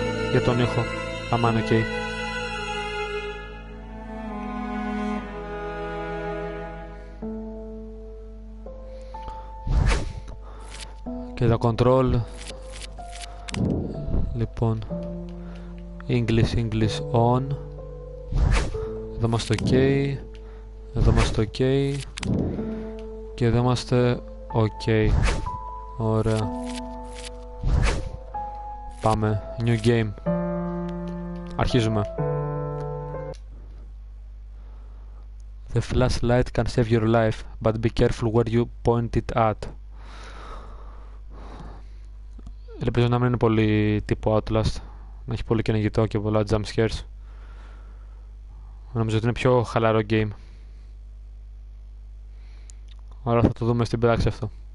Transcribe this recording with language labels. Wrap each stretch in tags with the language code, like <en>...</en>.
<el>Για τον ήχο, αμάν οκ. Και τα control. Λοιπόν, English on. Εδώ είμαστε ok. Εδώ είμαστε ok. Και εδώ είμαστε ok. Ωραία. Πάμε, new game. Αρχίζουμε.</el> <en>The flashlight can save your life, but be careful where you point it at.</en> <el>Ελπίζω να μην είναι πολύ τύπο Outlast, να έχει πολύ κυνηγητό και πολλά jump scares. Νομίζω ότι είναι πιο χαλαρό game. Άρα θα το δούμε στην πράξη αυτό.</el>